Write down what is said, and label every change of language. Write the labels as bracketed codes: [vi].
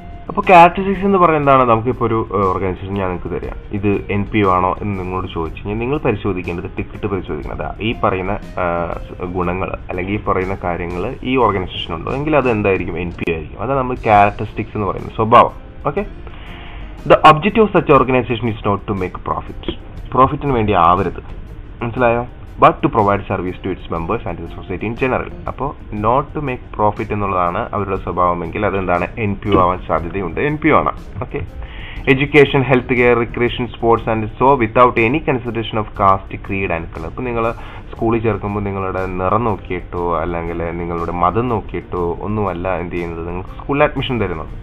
[ml] അപ്പോൾ ക്യാരക്ടറിസ്റ്റിക്സ് എന്ന് പറയുന്നത് എന്താണ്? നമുക്കിപ്പോൾ ഒരു ഓർഗനൈസേഷൻ ഞാൻ നിങ്ങൾക്ക് തരാം, ഇത് NPO ആണോ എന്ന് നിങ്ങളോട് ചോദിച്ചു കഴിഞ്ഞാൽ നിങ്ങൾ പരിശോധിക്കേണ്ടത് ടിക്കറ്റ് പരിശോധിക്കുന്നത് ഈ പറയുന്ന ഗുണങ്ങൾ അല്ലെങ്കിൽ ഈ പറയുന്ന കാര്യങ്ങൾ ഈ ഓർഗനൈസേഷനുണ്ടോ, എങ്കിൽ അത് എന്തായിരിക്കും? NPO ആയിരിക്കും. അതാണ് നമ്മൾ ക്യാരക്ടറിസ്റ്റിക്സ് എന്ന് പറയുന്നത്, സ്വഭാവം. Okay, [en] the objective such organisation is not to make profit, [ml] പ്രോഫിറ്റിന് വേണ്ടി ആവരുത്, മനസ്സിലായോ? [en] But to provide service to its members and the society in general. [ml] അപ്പോൾ നോട്ട് ടു മേക്ക് പ്രോഫിറ്റ് എന്നുള്ളതാണ് അവരുടെ സ്വഭാവമെങ്കിൽ അതെന്താണ്? NPO ആവാൻ സാധ്യതയുണ്ട്, NPO ആണ്. [en] Okay, education, health care, recreation, sports and so without any consideration of caste, creed and colour. [ml] ഇപ്പോൾ നിങ്ങൾ സ്കൂളിൽ ചേർക്കുമ്പോൾ നിങ്ങളുടെ നിറം നോക്കിയിട്ടോ അല്ലെങ്കിൽ നിങ്ങളുടെ മതം നോക്കിയിട്ടോ ഒന്നുമല്ല എന്ത് ചെയ്യുന്നത്, നിങ്ങൾക്ക് സ്കൂളിൽ അഡ്മിഷൻ തരുന്നത്.